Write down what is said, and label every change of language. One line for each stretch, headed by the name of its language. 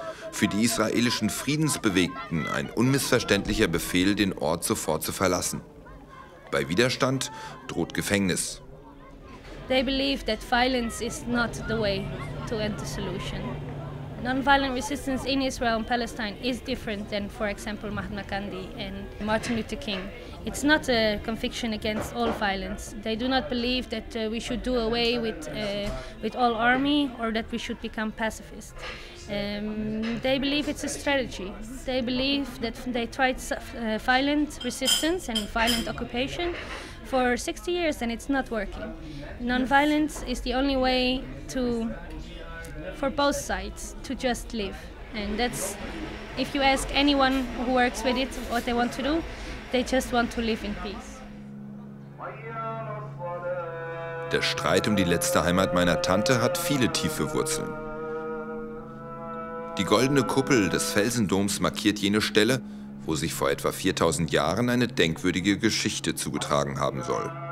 German: Für die israelischen Friedensbewegten ein unmissverständlicher Befehl, den Ort sofort zu verlassen. Bei Widerstand droht Gefängnis.
English: They believe that violence is not the way to end the solution. Non-violent resistance in Israel and Palestine is different than, for example, Mahatma Gandhi and Martin Luther King. It's not a conviction against all violence. They do not believe that we should do away with all army or that we should become pacifist. They believe it's a strategy. They believe that they tried violent resistance and violent occupation for 60 years and it's not working. Non-violence is the only way to, for both sides, to just live. And that's, if you ask anyone who works with it what they want to do, they just want to live in peace.
German: Der Streit um die letzte Heimat meiner Tante hat viele tiefe Wurzeln. Die goldene Kuppel des Felsendoms markiert jene Stelle, wo sich vor etwa 4000 Jahren eine denkwürdige Geschichte zugetragen haben soll.